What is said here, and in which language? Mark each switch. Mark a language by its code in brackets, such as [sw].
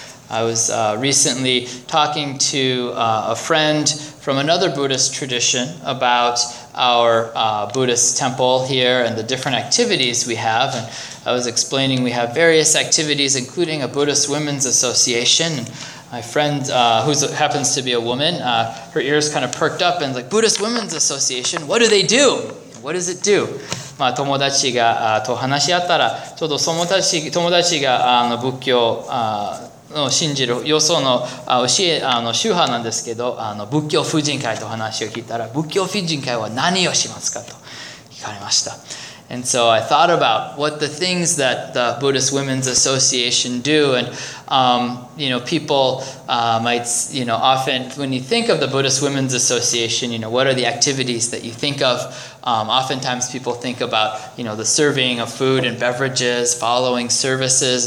[en] I was recently talking to a friend from another Buddhist tradition about our Buddhist temple here and the different activities we have. And I was explaining we have various activities, including a Buddhist Women's Association. And my friend, who happens to be a woman, her ears kind of perked up and like, Buddhist Women's Association, what do they do? What does it do? [ja] まあ、友達がと話し合ったら、ちょうどその友達が仏教の信じる、よその教え、宗派なんですけど、仏教婦人会と話を聞いたら、仏教婦人会は何をしますかと聞かれました。 [en] And so I thought about what the things that the Buddhist Women's Association do. And, you know, people might, you know, often when you think of the Buddhist Women's Association, you know, what are the activities that you think of? Oftentimes people think about, you know, the serving of food and beverages, following services.